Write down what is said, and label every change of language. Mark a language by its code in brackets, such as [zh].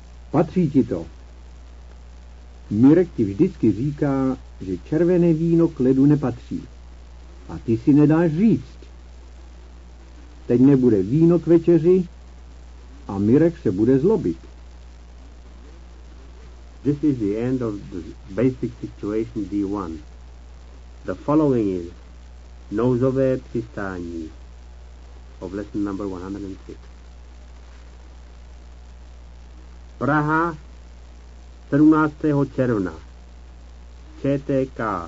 [cs] patří ti to. Mirek ti vždycky říká, že červené víno k ledu nepatří. A ty si nedáš říct. Teď nebude víno k večeři a Mirek se bude zlobit. [en] This is the end of the basic situation D1. The following is [cs] nouzové přistání [en] of lesson number 106. [cs] Praha, 17. června, ČTK.